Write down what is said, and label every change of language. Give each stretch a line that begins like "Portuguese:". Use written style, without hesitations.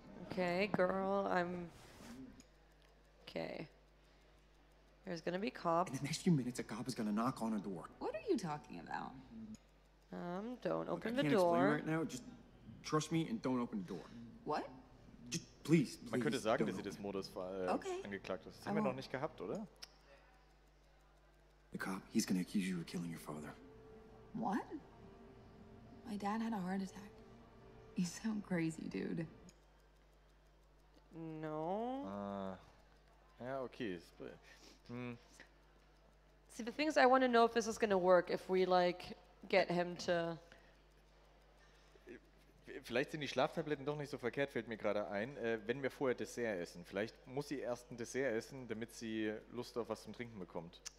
English: Okay, girl, I'm... Okay. There's gonna be cops. In the next few minutes, a cop is gonna knock on her door. What are you talking about? Don't Look, open I the can't door. Explain right now. Just trust me and don't open the door. What? Just, please.
German: Man könnte sagen, dass sie des Mordes angeklagt ist. Das haben wir noch nicht gehabt, oder?
English: The cop, he's gonna accuse you of killing your father. What? My dad had a heart attack. You sound crazy, dude. No. Yeah, okay. See, the thing is, I want to know if this is going to work, if we, like, get him to...
German: Vielleicht sind die Schlaftabletten doch nicht so verkehrt, fällt mir gerade ein, wenn wir vorher Dessert essen. Vielleicht muss sie erst ein Dessert essen, damit sie Lust auf was zum Trinken bekommt.